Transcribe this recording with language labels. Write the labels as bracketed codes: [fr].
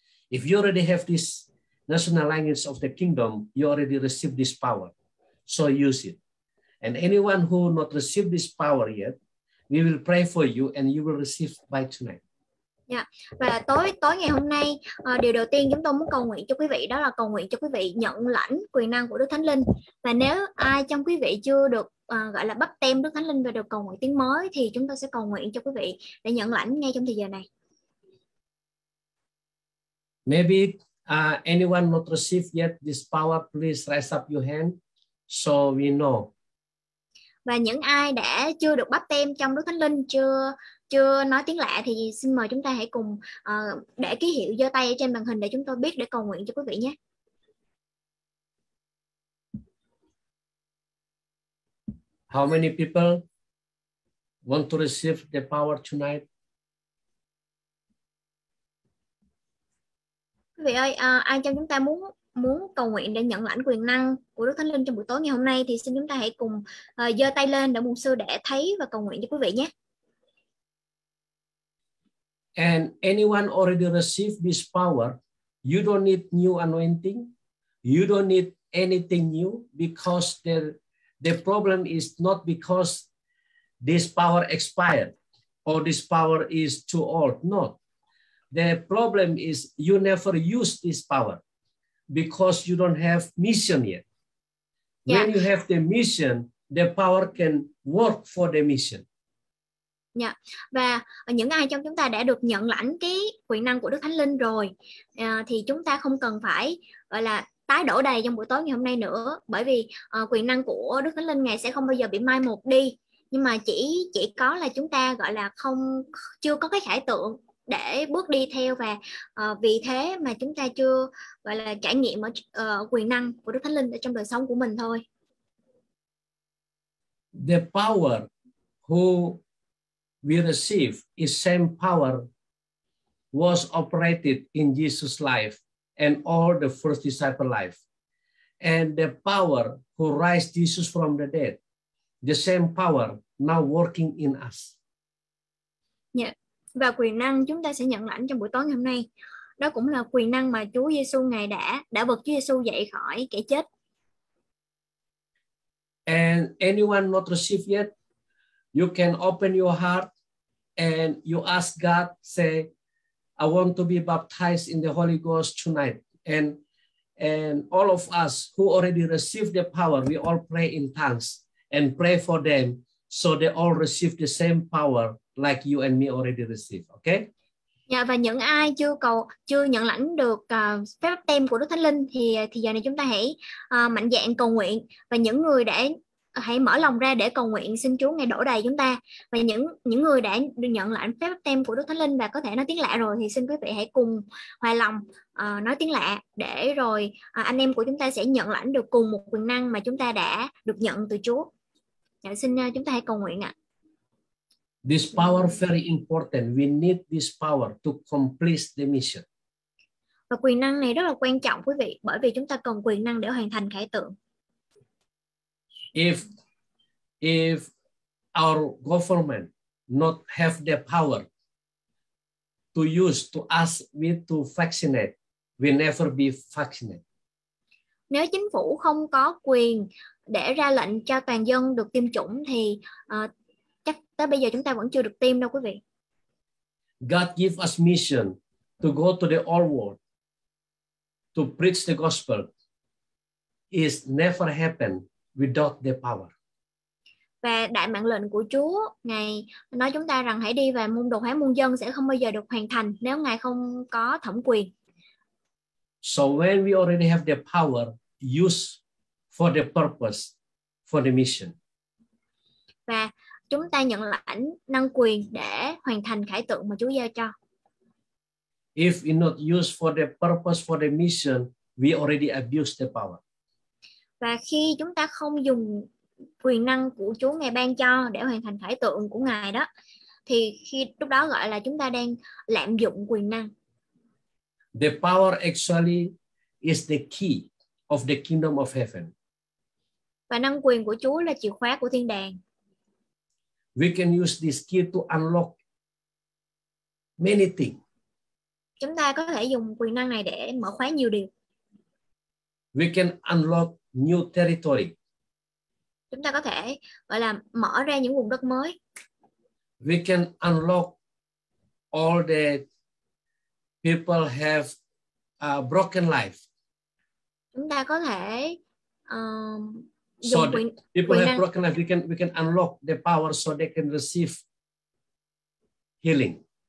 [en] If you already have this national language of the kingdom, you already received this power. So use it. And anyone who not received this power yet, we will pray for you and you will receive by tonight. Yeah. [vi] Và tối ngày hôm nay, điều đầu tiên chúng tôi muốn cầu nguyện cho quý vị, đó là cầu nguyện cho quý vị nhận lãnh quyền năng của Đức Thánh Linh. Và nếu ai trong quý vị chưa được gọi là bắt tem Đức Thánh Linh và được cầu nguyện tiếng mới, thì chúng tôi sẽ cầu nguyện cho quý vị để nhận lãnh ngay trong thời giờ này. [en] Maybe anyone not received yet this power, please raise up your hand so we know. [vi] Và những ai đã chưa được bắt tem trong Đức Thánh Linh, chưa nói tiếng lạ, thì xin mời chúng ta hãy cùng để ký hiệu giơ tay trên màn hình để chúng tôi biết, để cầu nguyện cho quý vị nhé. [en] How many people want to receive the power tonight? [vi] Quý vị ơi, ai trong chúng ta muốn cầu nguyện để nhận lãnh quyền năng của Đức Thánh Linh trong buổi tối ngày hôm nay, thì xin chúng ta hãy cùng giơ tay lên để mục sư để thấy và cầu nguyện cho quý vị nhé. [en] And anyone already received this power, you don't need new anointing, you don't need anything new, because the problem is not because this power expired or this power is too old. No. The problem is you never use this power. because you don't have mission yet. Yeah. When you have the mission, the power can work for the mission. [vi] Dạ. Và những ai trong chúng ta đã được nhận lãnh cái quyền năng của Đức Thánh Linh rồi thì chúng ta không cần phải gọi là tái đổ đầy trong buổi tối ngày hôm nay nữa, bởi vì quyền năng của Đức Thánh Linh Ngài sẽ không bao giờ bị mai một đi, nhưng mà chỉ có là chúng ta gọi là chưa có cái khải tượng để bước đi theo, và vì thế mà chúng ta chưa gọi là trải nghiệm ở quyền năng của Đức Thánh Linh ở trong đời sống của mình thôi. [en] The power who we receive is same power was operated in Jesus' life and all the first disciple life. And the power who raised Jesus from the dead, the same power now working in us. Yeah. [vi] Và quyền năng chúng ta sẽ nhận lãnh trong buổi tối ngày hôm nay, đó cũng là quyền năng mà Chúa Giêsu Ngài đã vực Chúa Giêsu dậy khỏi kẻ chết. [en] And anyone not received yet, you can open your heart and you ask God, say, I want to be baptized in the Holy Ghost tonight. And all of us who already received the power, we all pray in tongues and pray for them so they all receive the same power like you and me already received. Okay? [vi] Yeah, và những ai chưa nhận lãnh được phép báp têm của Đức Thánh Linh thì giờ này chúng ta hãy mạnh dạn cầu nguyện, và những người đã hãy mở lòng ra để cầu nguyện xin Chúa Ngài đổ đầy chúng ta, và những người đã được nhận lãnh phép báp têm của Đức Thánh Linh và có thể nói tiếng lạ rồi thì xin quý vị hãy cùng hòa lòng nói tiếng lạ để rồi anh em của chúng ta sẽ nhận lãnh được cùng một quyền năng mà chúng ta đã được nhận từ Chúa. Dạ, xin chúng ta hãy cầu nguyện ạ. [en] This power very important. We need this power to complete the mission. [vi] Và quyền năng này rất là quan trọng quý vị, bởi vì chúng ta cần quyền năng để hoàn thành khải tượng. [en] If our government not have the power to use to ask me to vaccinate, we never be vaccinated. [vi] Nếu chính phủ không có quyền để ra lệnh cho toàn dân được tiêm chủng thì chắc tới bây giờ chúng ta vẫn chưa được tiêm đâu quý vị. [en] God give us mission to go to the all world to preach the gospel is never happen without the power. [vi] Và đại mạng lệnh của Chúa Ngài nói chúng ta rằng hãy đi và môn đồ hóa muôn dân sẽ không bao giờ được hoàn thành nếu Ngài không có thẩm quyền. [en] So when we already have the power, use for the purpose, for the mission. [vi] Và chúng ta nhận lãnh năng quyền để hoàn thành khải tượng mà Chúa giao cho. [en] If we not use for the purpose, for the mission, we already abuse the power. [vi] Và khi chúng ta không dùng quyền năng của Chúa Ngài ban cho để hoàn thành khải tượng của Ngài đó, thì khi lúc đó gọi là chúng ta đang lạm dụng quyền năng. [en] The power actually is the key of the kingdom of heaven. [vi] Và năng quyền của Chúa là chìa khóa của thiên đàng. [en] We can use this key to unlock many things. [vi] Chúng ta có thể dùng quyền năng này để mở khóa nhiều điều. [en] We can unlock new territory. [vi] Chúng ta có thể gọi là mở ra những vùng đất mới. [en] We can unlock all the people have a broken life. [vi] Chúng ta có thể [en] so people have broken life, we can unlock the power so they can receive healing.